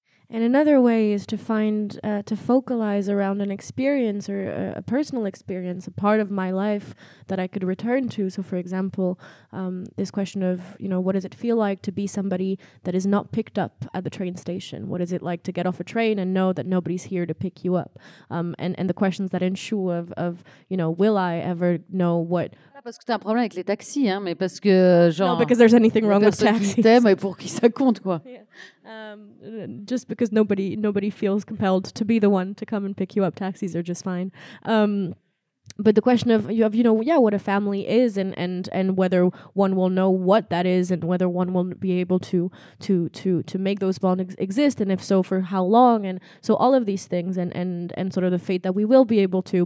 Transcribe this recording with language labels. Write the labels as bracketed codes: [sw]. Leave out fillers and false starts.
[en] And another way is to find, to focalize around an experience or a personal experience, a part of my life that I could return to. So, for example, this question of, you know, what does it feel like to be somebody that is not picked up at the train station? What is it like to get off a train and know that nobody's here to pick you up? And the questions that ensue of, you know, will I ever know what... [fr] Parce que t'as un problème avec les taxis, hein, mais parce que genre. [en] No, because there's anything wrong with taxis. [fr] Qui t'aime et pour qui ça compte, quoi. [en] Yeah. Just because nobody feels compelled to be the one to come and pick you up. Taxis are just fine. But the question of you know, what a family is, and whether one will know what that is, and whether one will be able to make those bonds exist, and if so, for how long, and so all of these things, and sort of the fate that we will be able to.